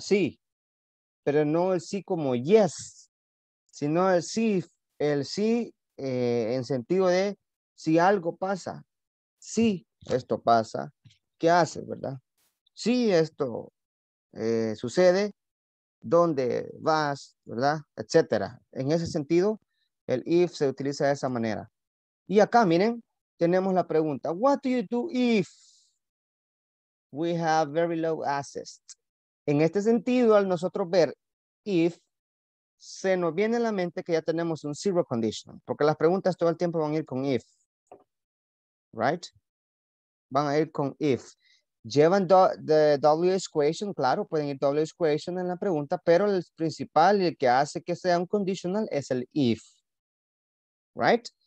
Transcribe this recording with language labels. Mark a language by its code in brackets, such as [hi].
[es] Sí, pero no el sí como yes, sino el sí en sentido de si algo pasa, si esto pasa, ¿qué haces, verdad? Si esto sucede, ¿dónde vas, verdad? Etcétera. En ese sentido, el if se utiliza de esa manera. Y acá, miren, tenemos la pregunta. [en] What do you do if we have very low assets? [es] En este sentido, al nosotros ver if, se nos viene a la mente que ya tenemos un zero conditional. Porque las preguntas todo el tiempo van a ir con if. Right? Van a ir con if. Llevan the WH equation, claro, pueden ir WH equation en la pregunta, pero el principal y el que hace que sea un conditional es el if. Right?